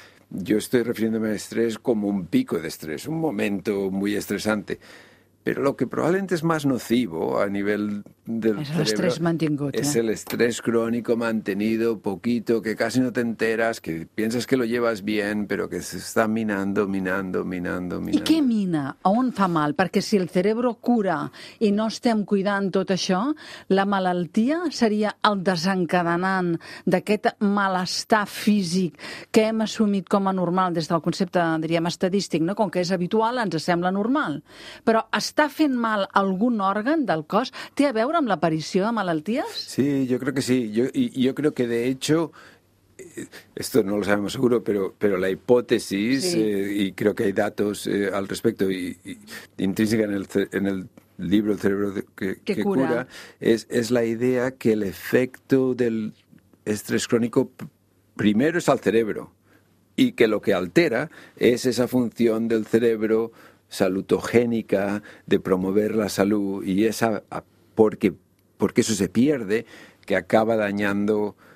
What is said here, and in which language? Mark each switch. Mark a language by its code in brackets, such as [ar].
[es] Yo estoy refiriéndome a estrés como un pico de estrés, un momento muy estresante. Pero lo que probablemente es más nocivo a nivel del cerebro... Es el estrés mantenido. Es el estrés crónico mantenido, poquito, que casi no te enteras, que piensas que lo llevas bien, pero que se está minando. ¿Y qué mina? [ca] ¿A on fa mal? Perquè si el cerebro cura i no estem cuidant tot això, la malaltia seria el desencadenant d'aquest malestar físic que hem assumit com a normal des del concepte, diríem, estadístic, no? Com que és habitual, ens sembla normal. Però està fent mal algun òrgan del cos? Té a veure amb l'aparició de malalties? Sí, jo crec que sí. Jo crec que, [es] de hecho, esto no lo sabemos seguro, pero la hipótesis, sí. Y creo que hay datos al respecto, y intrínseca en el libro El cerebro que cura, es la idea que el efecto del estrés crónico primero es al cerebro, y que lo que altera es esa función del cerebro salutogénica, de promover la salud, y esa porque eso se pierde, que acaba dañando